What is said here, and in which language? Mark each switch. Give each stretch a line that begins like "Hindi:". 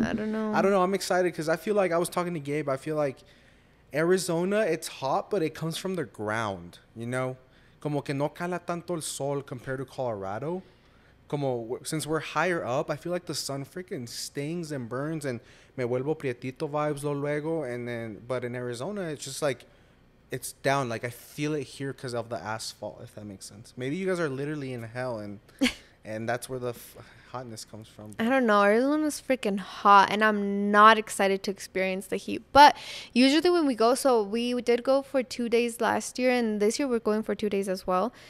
English: I don't know. I don't know. I'm excited because I feel like... I was talking to Gabe. I feel like Arizona, it's hot, but it comes from the ground, you know?
Spanish: Como que no cala tanto el sol
English: compared to Colorado.
Spanish: Como,
English: since we're higher up, I feel like the sun freaking stings and burns.
Spanish: And me vuelvo prietito vibes luego.
English: And then, but in Arizona, it's just like... It's down. Like, I feel it here because of the asphalt, if that makes sense. Maybe you guys are literally in hell, and and that's where the hotness comes from. I don't know. Arizona's freaking hot, and I'm not excited to experience the heat. But usually when we go, so we did go for 2 days last year, and this year we're going for 2 days as well.